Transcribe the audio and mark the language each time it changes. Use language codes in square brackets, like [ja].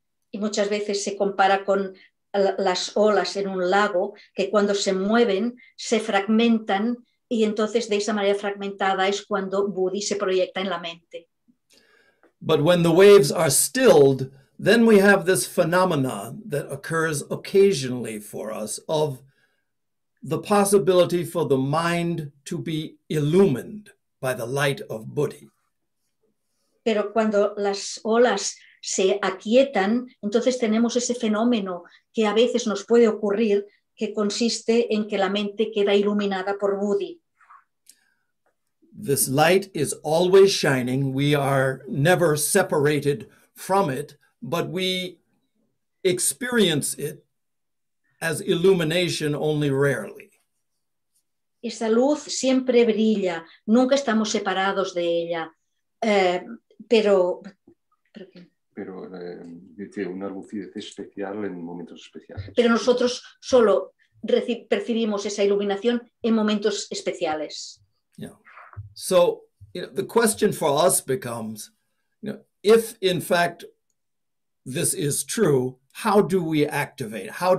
[es] Y muchas veces se compara con las olas en un lago, que cuando se mueven, se fragmentan, y entonces de esa manera fragmentada es cuando buddhi se proyecta en la mente. [en] But when the waves are stilled, then we have this phenomena that occurs occasionally for us of the possibility for the mind to be illumined by the light of buddhi. [es] Pero cuando las olas se aquietan, entonces tenemos ese fenómeno que a veces nos puede ocurrir, que consiste en que la mente queda iluminada por buddhi. [en] This light is always shining. We are never separated from it, but we experience it as illumination only rarely. [es] Esa luz siempre brilla. Nunca estamos separados de ella. Pero dice una lucidez especial en momentos especiales. Pero nosotros solo percibimos esa iluminación en momentos especiales. Yeah. [en] So, you know, the question for us becomes, you know, if in fact this is true, how do we activate?